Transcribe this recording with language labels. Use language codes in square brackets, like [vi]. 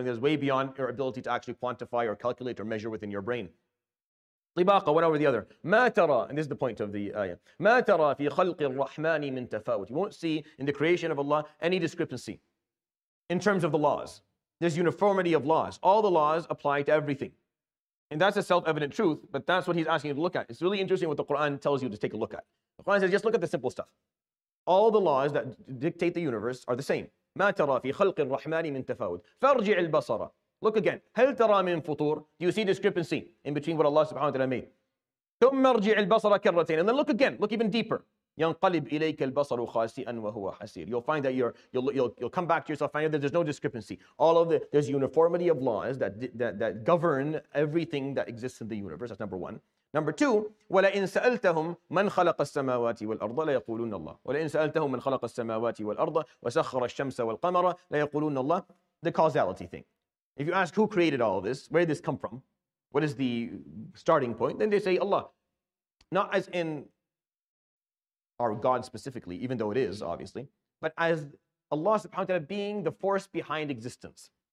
[en] Something that is way beyond your ability to actually quantify or calculate or measure within your brain. طباقة, one over the other. [ar] ما ترى, [en] and this is the point of the ayah. [ar] ما ترى في خلق الرحمن من تفاوت. [en] You won't see in the creation of Allah any discrepancy in terms of the laws. There's uniformity of laws. All the laws apply to everything. And that's a self-evident truth, but that's what he's asking you to look at. It's really interesting what the Quran tells you to take a look at. The Quran says, just look at the simple stuff. All the laws that dictate the universe are the same. [ar] ما ترى في خلق الرحمن من تفاوت. فارجع البصرة. [en] Look again. [ar] هل ترى من فطور? [en] Do you see discrepancy in between what Allah subhanahu wa ta'ala made? [ar] ثم ارجع البصر كرتين. [en] And then look again. Look even deeper. [ar] ينقلب إليك البصر خاسئا وهو حسير. [en] You'll find that you'll come back to yourself and find that there's no discrepancy. There's uniformity of laws that govern everything that exists in the universe. That's number one. Number two. [ar] ولئن سألتهم من خلق السماوات والأرض لا يقولون الله. ولئن سألتهم من خلق السماوات والأرض وسخر الشمس والقمر لا يقولون الله. [en] The causality thing. If you ask who created all of this, where did this come from? What is the starting point? Then they say Allah. Not as in our God specifically, even though it is, obviously, but as Allah subhanahu wa ta'ala being the force behind existence.